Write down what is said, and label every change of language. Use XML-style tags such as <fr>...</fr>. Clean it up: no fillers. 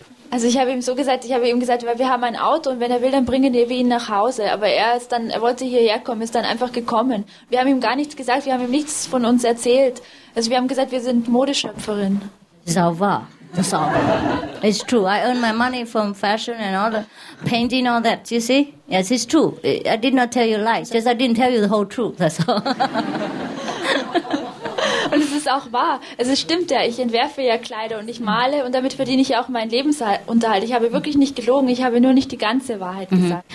<de>Also ich habe ihm so gesagt, ich habe ihm gesagt, weil wir haben ein Auto und wenn er will, dann bringen wir ihn nach Hause. Aber er wollte hierher kommen, ist dann einfach gekommen. Wir haben ihm gar nichts gesagt, wir haben ihm nichts von uns erzählt. Also wir haben gesagt, wir sind Modeschöpferin. Sau wahr.</de> <en>So, it's true. I earn my money from fashion and all the painting, all that. You see? Yes, it's true. I did not tell you lies. Just I didn't tell you the whole truth. That's all.</en> <de>Und es ist auch wahr. Also es stimmt ja. Ich entwerfe ja Kleider und ich male und damit verdiene ich ja auch meinen Lebensunterhalt. Ich habe wirklich nicht gelogen. Ich habe nur nicht die ganze Wahrheit gesagt.</de>